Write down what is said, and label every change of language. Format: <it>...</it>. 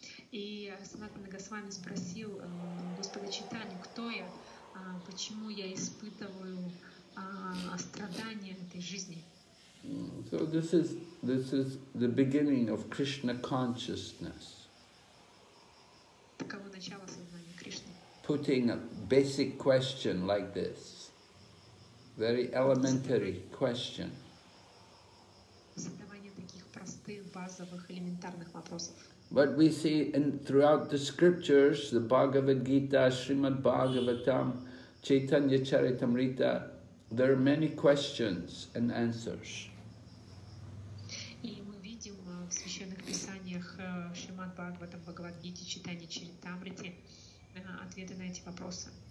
<ru>И Санатана Госвами спросил Господа Чайтаньи, кто я? почему я испытываю страдания этой жизни.</ru> <en>So this is the beginning of Krishna consciousness.</en> <ru>Таково начало сознания Кришны.</ru> <en>Putting a basic question like this. Very elementary question.</en> <ru>Задавание таких простых, базовых, элементарных вопросов.</ru> <en>But we see in throughout the scriptures, the Bhagavad Gita, Srimad Bhagavatam, Chaitanya Charitamrita, there are many questions and answers.</en> <ru>И мы видим в священных писаниях Шримад Бхагаватам, Бхагавад Гите, Чайтанья Чаритамрите ответы на эти вопросы.</ru>